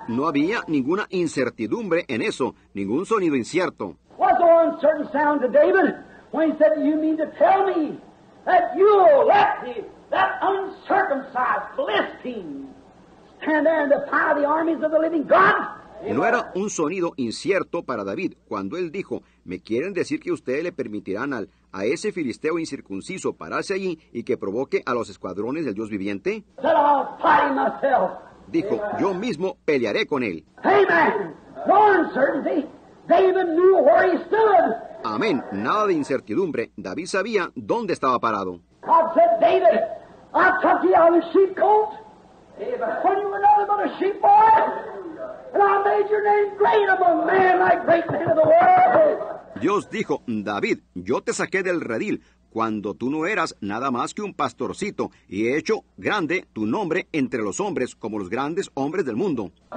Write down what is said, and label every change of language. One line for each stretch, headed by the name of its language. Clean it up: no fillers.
Spanish: No había ninguna incertidumbre en eso, ningún sonido incierto.
English: What's the uncertain sound to David when he said, "You mean to tell me that you let that uncircumcised Philistine stand there and defy the armies of the living God?"
Spanish: No era un sonido incierto para David cuando él dijo, "Me quieren decir que ustedes le permitirán a ese filisteo incircunciso pararse allí y que provoque a los escuadrones del Dios viviente?"
English: Said, "I'll fight myself."
Spanish: Dijo, yo mismo pelearé con él.
English: Amen. No uncertainty. David knew where he stood.
Spanish: Amén. Nada de incertidumbre. David sabía dónde estaba parado.
English: God said, David, I took you out of a sheep coat when you were nothing but a sheep boy, and I made your name great among men like great men of the world.
Spanish: Dios dijo, David, yo te saqué del redil cuando tú no eras nada más que un pastorcito, y he hecho grande tu nombre entre los hombres, como los grandes hombres del mundo.